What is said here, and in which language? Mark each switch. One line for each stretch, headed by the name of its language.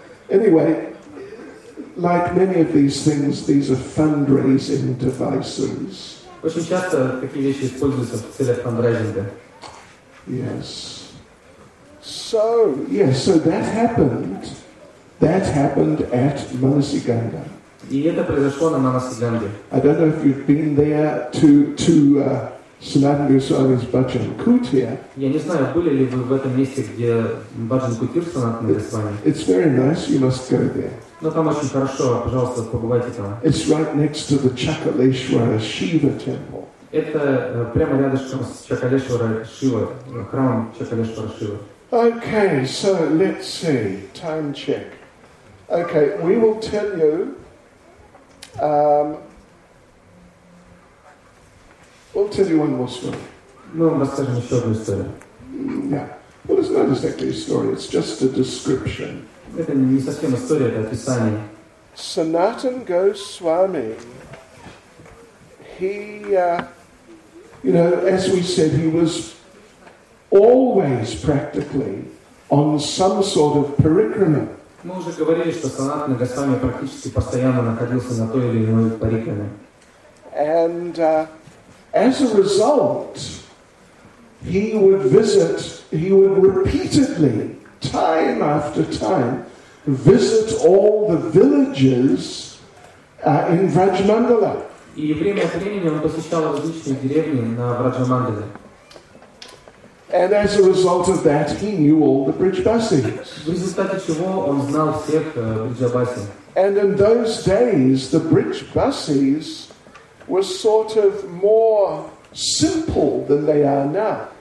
English: Anyway, like many of these things, these are fundraising devices.
Russian: Очень часто такие вещи используются в целях фандрайзинга.
English: Yes. So, yes, so that happened. That happened at Manasi Ganga.
Russian: И это произошло на Манаси Ганге.
English: I don't know if you've been there to Sanatana Goswami's Bhajan Kutir.
Russian: Я не знаю, были ли вы в этом месте, где Bhajan Kutir Sanatana Goswami.
English: It's very nice, you must go there.
Russian: Но там очень хорошо, пожалуйста, побывайте там.
English: It's right next to the Chakaleshwara Shiva temple.
Russian: Это прямо рядышком с Чакалешвара Шива, храмом Чакалешвара Шива.
English: Okay, so let's see. Time check. Okay, we will tell you. We'll tell you one more story. No, that's not a story. Yeah. Well, it's not exactly a story. It's just a description.
Russian: Это не совсем история, это описание.
English: Sanatan Goswami. He, you know, as we said, he was always practically on some sort of parikrama.
Russian: Мы уже говорили, что Санатана Госвами практически постоянно находился на той или иной парикраме.
English: And as a result, he would repeatedly, time after time, visit all the villages in Vrajmandala.
Russian: И время от времени он посещал различные деревни на Враджамандале.
English: And as a result of that, he knew all the Brijbasis. And in those days, the Brijbasis were sort of more simple than they are now.